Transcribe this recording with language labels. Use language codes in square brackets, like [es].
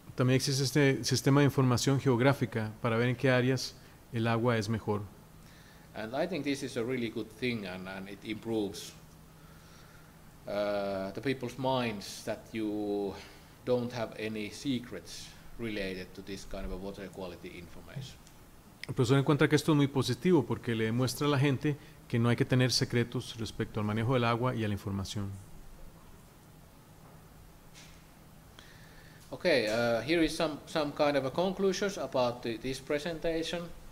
[es] También existe este sistema de información geográfica para ver en qué áreas el agua es mejor. [en] And I think this is a really good thing, and it improves the people's minds that you don't have any secrets related to this kind of a water quality information. [es] El profesor encuentra que esto es muy positivo porque le demuestra a la gente que no hay que tener secretos respecto al manejo del agua y a la información. [en] Okay, here is some kind of a conclusions about this presentation.